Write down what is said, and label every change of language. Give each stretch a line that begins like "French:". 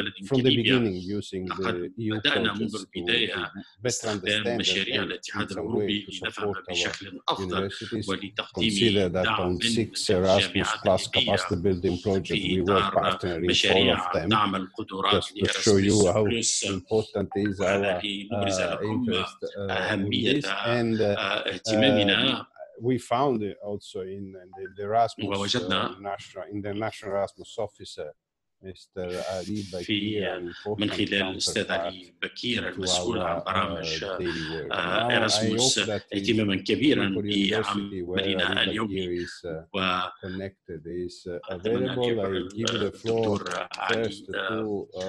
Arabic: كليبيا لقد بدأنا منذ البداية باستخدام مشاريع الاتحاد الأوروبي لدفعها بشكل أفضل ولتقديم دعم للجامعات الليبية في إطار مشاريع دعم القدرات لإراسموس بلس وهذه مبرزة لكم أهمية اهتمامنا
English: We found it also in the Erasmus in the National Erasmus Officer, Mr. Ali Bakir.
Arabic: من خلال الأستاذ علي بكير المسؤول عن برامج Erasmus اهتماما كبيرا بعملنا اليومي
English: وconnected is available. I give the floor first to